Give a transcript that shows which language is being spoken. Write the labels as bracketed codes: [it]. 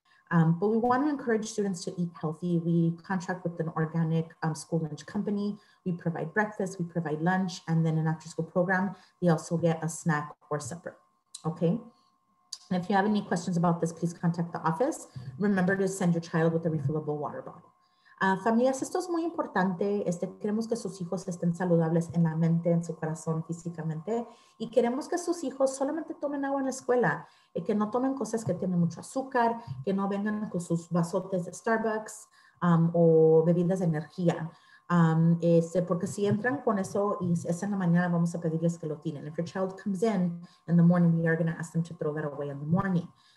[en] But we wanna encourage students to eat healthy. We contract with an organic school lunch company. We provide breakfast, we provide lunch, and then an after school program, they also get a snack or supper, okay? And if you have any questions about this, please contact the office. Remember to send your child with a refillable water bottle. [es] Familias, esto es muy importante. Queremos que sus hijos estén saludables en la mente, en su corazón, físicamente. Y queremos que sus hijos solamente tomen agua en la escuela. Y que no tomen cosas que tienen mucho azúcar, que no vengan con sus vasotes de Starbucks o bebidas de energía. Porque si entran con eso y es en la mañana, vamos a pedirles que lo tienen. [en] If your child comes in the morning, we are going to ask them to throw that away in the morning.